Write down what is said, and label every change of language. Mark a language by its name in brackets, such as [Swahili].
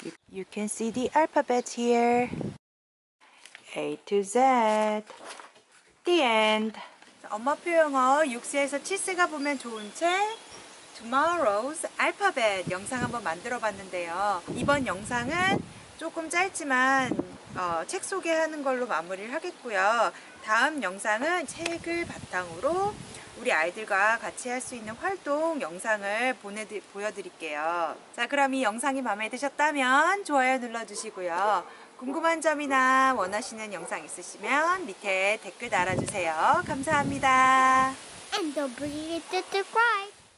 [English] You can see the alphabet here. A to Z. The end. [Korean] 엄마 표영어 6세에서 7세가 보면 좋은 책 Tomorrow's Alphabet 영상 한번 만들어 봤는데요. 이번 영상은 조금 짧지만 책 소개하는 걸로 마무리를 하겠고요. 다음 영상은 책을 바탕으로 우리 아이들과 같이 할 수 있는 활동 영상을 보여드릴게요. 자, 그럼 이 영상이 마음에 드셨다면 좋아요 눌러주시고요. 궁금한 점이나 원하시는 영상 있으시면 밑에 댓글 달아주세요. 감사합니다. [English] And don't forget to subscribe.